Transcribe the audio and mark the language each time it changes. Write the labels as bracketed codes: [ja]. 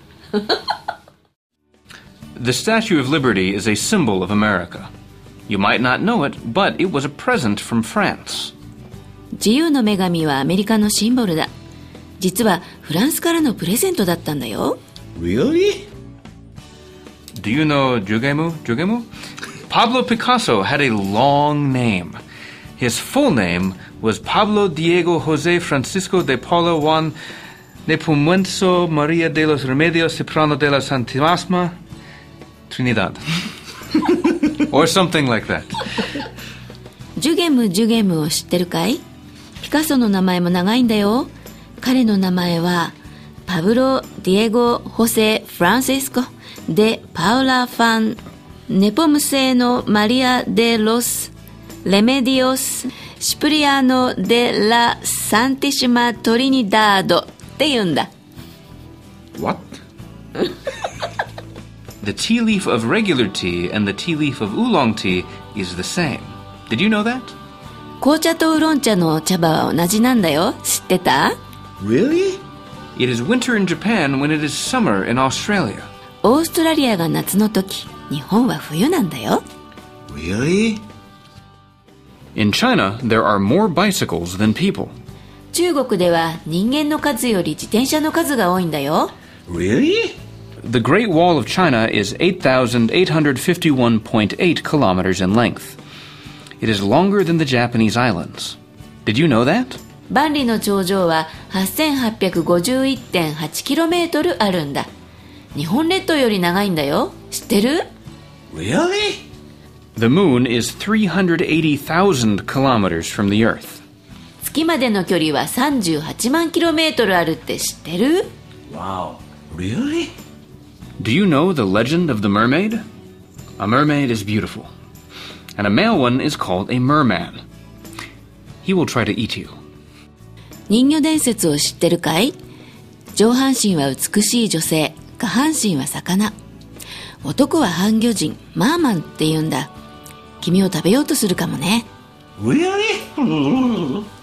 [en] The Statue of Liberty is a symbol of America. You might not know it, but it was a present from France. [ja] 自由の女神はアメリカのシンボルだ。実はフランスからのプレゼントだったんだよ。 [en] Really? Do you know Jugemu? Pablo Picasso had a long name. His full name was Pablo Diego José Francisco de Paula Juan Nepomuceno María de los Remedios Cipriano de la Santísima Trinidad. Or something like that. [ja] Jugemu を知ってるかい? ピカソの名前も長いんだよ。彼の名前は Pablo Diego José Francisco de Paula Juan Nepomuceno María de los Remedios シプリアノ・デ・ラ・サンティシマ・トリニダードって言うんだ。 [en] What? The tea leaf of regular tea and the tea leaf of oolong tea is the same. Did you know that? [ja] 紅茶とウーロン茶の茶葉は同じなんだよ。知ってた? [en] Really? It is winter in Japan when it is summer in Australia. [ja] オーストラリアが夏の時、日本は冬なんだよ。 [en] Really? In China, there are more bicycles than people. [ja] 中国では人間の数より自転車の数が多いんだよ。 [en] Really? The Great Wall of China is 8,851.8 kilometers in length. It is longer than the Japanese islands. Did you know that? [ja] 万里の長城は 8,851.8km あるんだ。日本列島より長いんだよ。知ってる? [en] Really? The moon is 380,000 kilometers from the Earth. [ja] 月までの距離は38万 km あるって知ってる? [en] Wow, really? Do you know the legend of the mermaid? A mermaid is beautiful. And a male one is called a merman. He will try to eat you. [ja] 人魚伝説を知ってるかい?上半身は美しい女性、下半身は魚。男は半魚人、マーマンって言うんだ。君を食べようとするかもね。 [en] Really?